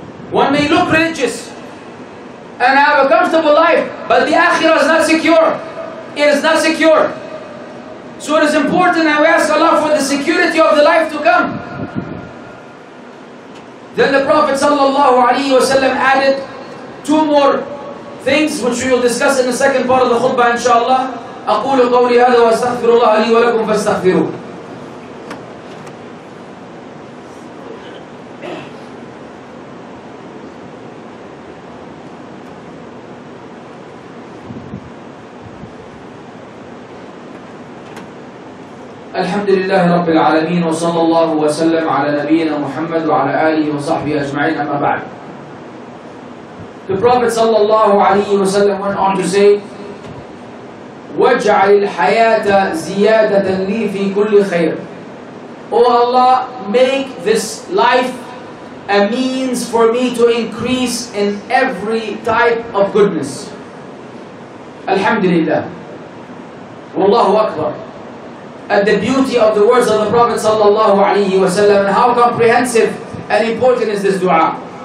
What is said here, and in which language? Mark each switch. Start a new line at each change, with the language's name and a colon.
English: One may look religious and have a comfortable life, but the akhirah is not secure. It is not secure. So it is important that we ask Allah for the security of the life to come. Then the Prophet sallallahu alaihi wasallam added two more things, which we will discuss in the second part of the khutbah, inshallah.
Arabic: أقول قولي هذا واستغفر الله لي ولكم فاستغفروه. الحمد لله رب العالمين وصلى الله وسلم على نبينا محمد وعلى آله وصحبه أجمعين أما بعد.
English: The Prophet
Arabic: صلى الله عليه وسلم
English: went on to say,
Arabic: وجعل الحياة زيادة لي في كل خير.
English: Oh Allah, make this life a means for me to increase in every type of goodness.
Arabic: الحمد لله والله أكبر.
English: At the beauty of the words of the Prophet sallallahu alaihi wasallam, and how comprehensive and important is this dua.